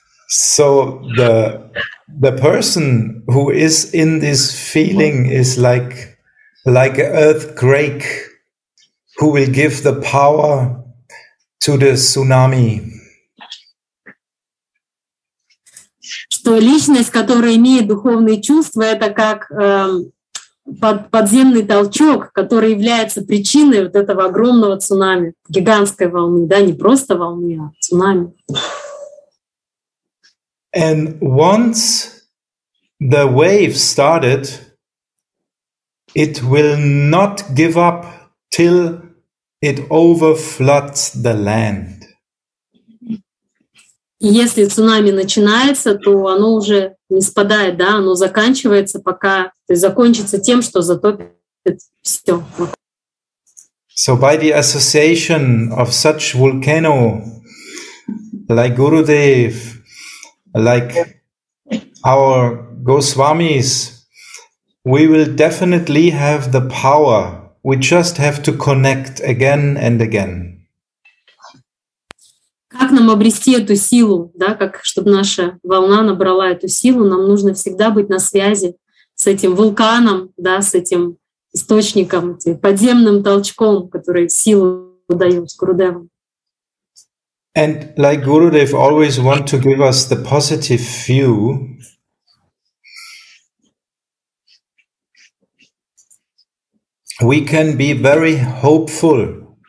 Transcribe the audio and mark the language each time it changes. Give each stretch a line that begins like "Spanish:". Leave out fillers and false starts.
English: So the person who is in this feeling is like an earthquake who will give the power to the tsunami.
Russian: Что личность, которая имеет духовные чувства, это как подземный толчок, который является причиной вот этого огромного цунами, гигантской волны, да, не просто волны, а цунами.
English: And once the wave started, it will not give up till it overfloods the land.
Russian: если цунами начинается, то оно уже не спадает, да, оно заканчивается, пока, то есть закончится тем, что затопит все.
English: So by the association of such volcano, like Gurudev, like our Goswamis, we will definitely have the power. We just have to connect again and again.
Russian: Как нам обрести эту силу, да, как чтобы наша волна набрала эту силу, нам нужно всегда быть на связи с этим вулканом, да, с этим источником, этим подземным толчком, который силу дает Гурудеву.
English: And like Gurudev always want to give us the positive view. We can be very hopeful.